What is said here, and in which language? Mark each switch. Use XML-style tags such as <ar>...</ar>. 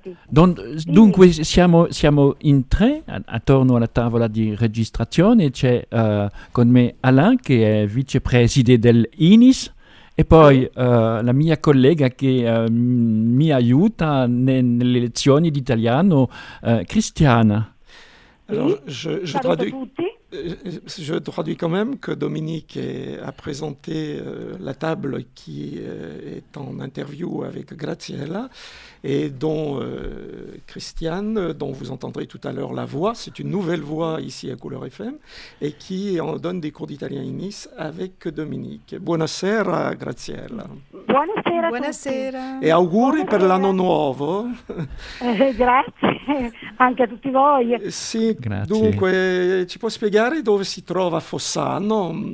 <it>Dunque, siamo in tre attorno alla tavola di registrazione. C'è con me Alain, che è vicepresidente dell'INIS, e poi la mia collega che mi aiuta nelle lezioni di italiano, Cristiana.</it> <fr>Allora, je traduis. Je traduis quand même que Dominique a présenté la table qui est en interview avec Graziella et dont Christiane, dont vous entendrez tout à l'heure la voix, c'est une nouvelle voix ici à Couleur FM, et qui en donne des cours d'italien à INIS avec Dominique.</fr> <it>Buonasera, Graziella. Buonasera. Buonasera. E auguri buonasera per l'anno nuovo. Grazie, anche a tutti voi. Sì, grazie. Dunque, ci puoi spiegare dove si trova Fossano?</it>